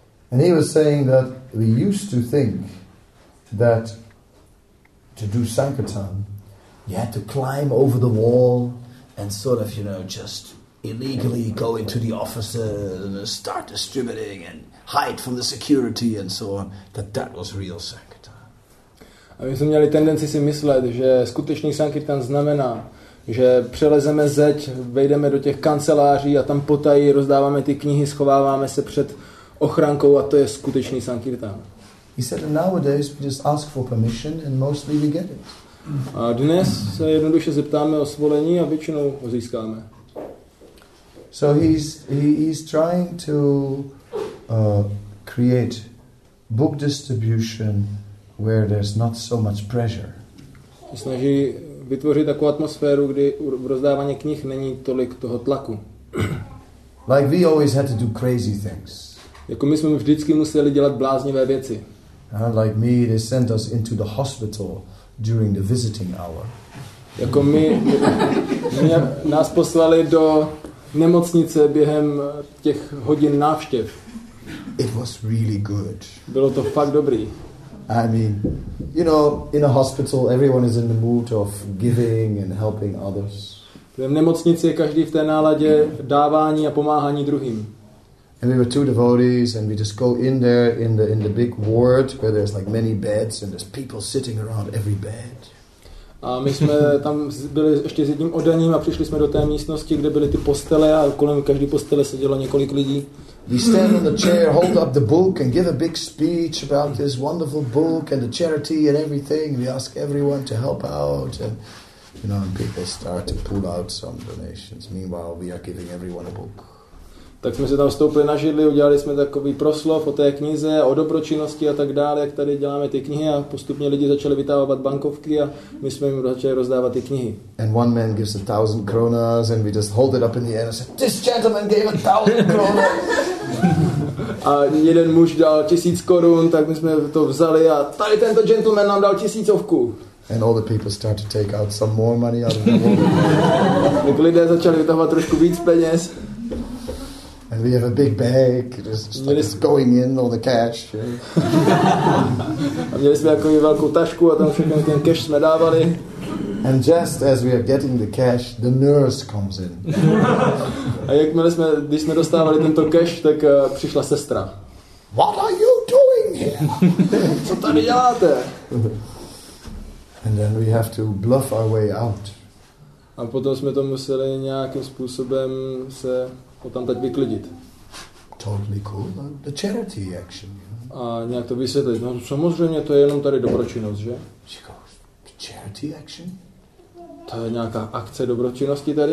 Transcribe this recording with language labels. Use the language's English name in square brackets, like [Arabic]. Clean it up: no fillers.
[English] And he was saying that we used to think that to do Sankirtan, you had to climb over the wall and sort of, you know, just illegally go into the offices and start distributing and hide from the security and so on, that was real Sankirtan. [Czech] A my jsme měli tendenci si myslet, že skutečný Sankirtan znamená, že přelezeme zeď, vejdeme do těch kanceláří a tam potají, rozdáváme ty knihy, schováváme se před ochrankou a to je skutečný Sankirtan. [English] He said that nowadays we just ask for permission and mostly we get it. [Czech] A dnes se jednoduše zeptáme o svolení a většinou ho získáme. [English] So he's trying to create book distribution where there's not so much pressure. [Czech] Se snaží vytvořit takovou atmosféru, kdy v rozdávání knih není tolik toho tlaku. [English] Like we always had to do crazy things. [Czech] Jako my jsme vždycky museli dělat bláznivé věci. [English] Like me, they sent us into the hospital during the visiting hour. [Czech] Jako my nás poslali do nemocnice během těch hodin návštěv. [English] It was really good. [Czech] Bylo to fakt dobrý. [English] I mean, you know, in a hospital everyone is in the mood of giving and helping others. [Czech] V nemocnici je každý v té náladě dávání a pomáhání druhým. [English] And we were two devotees, and we just go in there in the big ward where there's like many beds, and there's people sitting around every bed. [Czech] A my jsme tam byli ještě s jedním oddaním a přišli jsme do té místnosti, kde byly ty postele a kolem každé postele sedělo několik lidí. [English] We stand on the chair, hold up the book and give a big speech about this wonderful book and the charity and everything. We ask everyone to help out and, you know, and people start to pull out some donations. Meanwhile, we are giving everyone a book. [Czech] Tak jsme se tam vstoupili na židli, udělali jsme takový proslov o té knize, o dobročinnosti a tak dále, jak tady děláme ty knihy a postupně lidi začali vytávat bankovky a my jsme jim začali rozdávat ty knihy. [English] And one man gives 1,000 kronas and we just hold it up in the air and say, this gentleman gave 1,000 kronas. [Czech] A jeden muž dal 1,000 korun, tak my jsme to vzali a tady tento gentleman nám dal 1,000. [English] And all the people start to take out some more money out of the world. [Czech] Lidé začali vytávat trošku víc peněz. [English] And we have a big bag, just going in all the cash. [Czech] A měli jsme takovou velkou tašku a tam všechno ten cash jsme dávali. [English] And just as we are getting the cash, the nurse comes in. [Czech] A jakmile jsme, když jsme dostávali tento cash, tak přišla sestra. [English] What are you doing here? [Czech] Co tady děláte? [English] And then we have to bluff our way out. [Czech] A potom jsme to museli nějakým způsobem se potom teď vyklidit. [English] Totally cool. The charity action. You know? [Czech] A nějak to vysvětlit. No samozřejmě to je jenom tady dobročinnost, že? [English] She goes, the charity action? [Czech] To je nějaká akce dobročinnosti tady?